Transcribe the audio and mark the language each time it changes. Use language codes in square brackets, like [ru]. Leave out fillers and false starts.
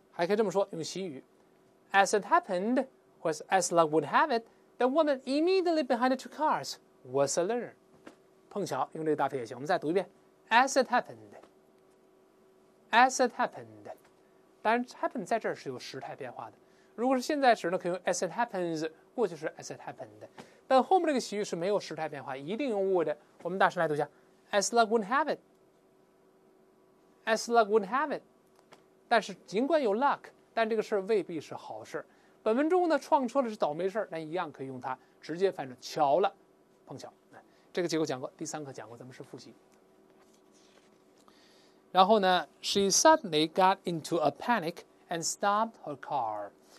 [zh] 还可以这么说，用习语 [en] As it happened, was as luck would have it, the woman immediately behind the two cars was a learner. [zh] 碰巧用这个搭配也行，我们再读一遍。 [en] As it happened, as it happened. [zh] 当然 happen 在这儿是有时态变化的。如果是现在时呢，可以用 [en] as it happens, [zh] 过去时 [en] as it happened. [zh] 但后面这个习语是没有时态变化，一定用 would。我们大声来读一下。 [en] As luck would have it, as luck would have it. [zh] 但是尽管有 luck,但这个事未必是好事。本文中呢，撞车了是倒霉事，但一样可以用它直接翻成巧了，碰巧。这个结构讲过，第三课讲过，咱们是复习。然后呢 [en] ，She suddenly got into a panic and stopped her car。